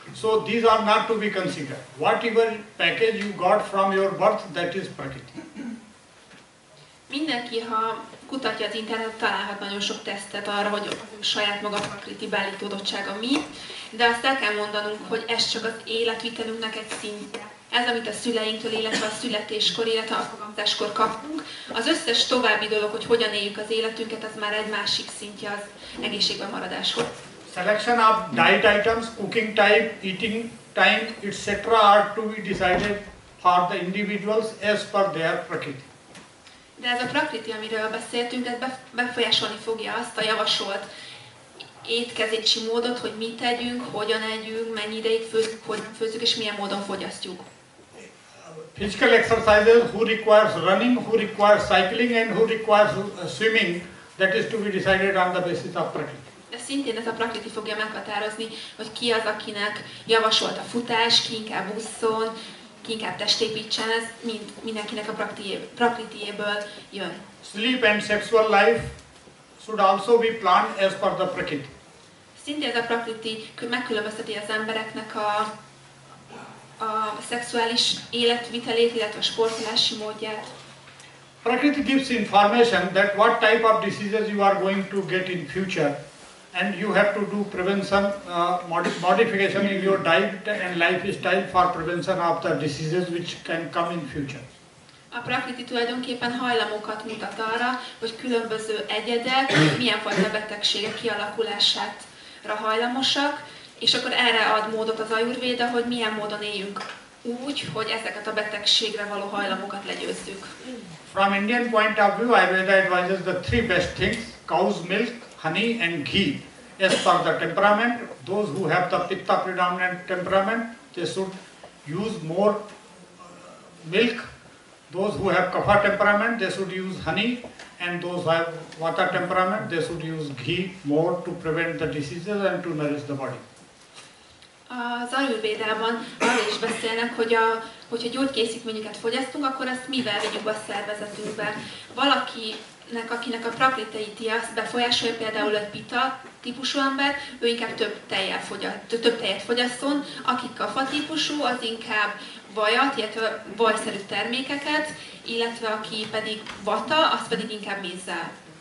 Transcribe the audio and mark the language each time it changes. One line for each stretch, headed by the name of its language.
English: So these are not to be considered. Whatever package you got from your birth, that is prakriti.
Hungarian: Mindenki, ha kutatja az internet, találhat nagyon sok tesztet arra, hogy saját maga prakriti beállítódottsága mi. De azt el kell mondanunk, hogy ez csak az életvitelünknek egy szintje. Ez, amit a szüleinktől, illetve a születéskor, illetve a fogamzáskor kapunk. Az összes további dolog, hogy hogyan éljük az életünket, az már egy másik szintje az egészségben maradáshoz.
English: Selection of diet items, cooking type, eating time, etc. are to be decided for the individuals as per their prakriti.
Hungarian: De ez a prakriti, amiről beszéltünk, ez befolyásolni fogja azt a javasolt étkezési módot, hogy mit tegyünk, hogyan együnk, mennyi ideig főzünk, hogyan főzünk és milyen módon fogyasztjuk.
English: Physical exercises, who requires running, who requires cycling and who requires swimming, that is to be decided on the basis of prakriti.
Hungarian: De szintén ez a prakriti fogja meghatározni, hogy ki az, akinek javasolt a futás, ki inkább busszon, ki inkább testépítsen, ez mind, mindenkinek a prakritiéből jön.
English: Sleep and sexual life, should also be planned as per the Prakriti.
Hungarian: Szintén ez a Prakriti megkülönbözteti az embereknek a szexuális életvitelét, illetve a sportolási módját.
English: Prakriti gives information that what type of diseases you are going to get in future, and you have to do prevention, modification in your diet and lifestyle for prevention of the diseases which can come in future.
Hungarian: A Prakriti tulajdonképpen hajlamokat mutat arra, hogy különböző egyedek milyen fajta betegségek kialakulására hajlamosak, és akkor erre ad módot az Ayurveda, hogy milyen módon éljünk úgy, hogy ezeket a betegségre való hajlamokat legyőzzük.
English: From Indian point of view, Ayurveda advises the three best things, cow's milk, honey and ghee. As per the temperament, those who have the pitta predominant temperament, they should use more milk. Those who have kapha temperament, they should use honey. And those who have vata temperament, they should use ghee more to prevent the diseases and to nourish the body.
Hungarian: Az Ayurvédában arra is beszélnek, hogyha gyógykészítményeket fogyasztunk, akkor ezt mivel vigyük a szervezetünkbe. Valakinek, akinek a prakritei azt befolyásolja, például egy pita típusú ember, ő inkább több tejet fogyasszon, akik kapha típusú, az inkább vajat, illetve vajszerű termékeket, illetve aki pedig vata, az pedig inkább mézzel.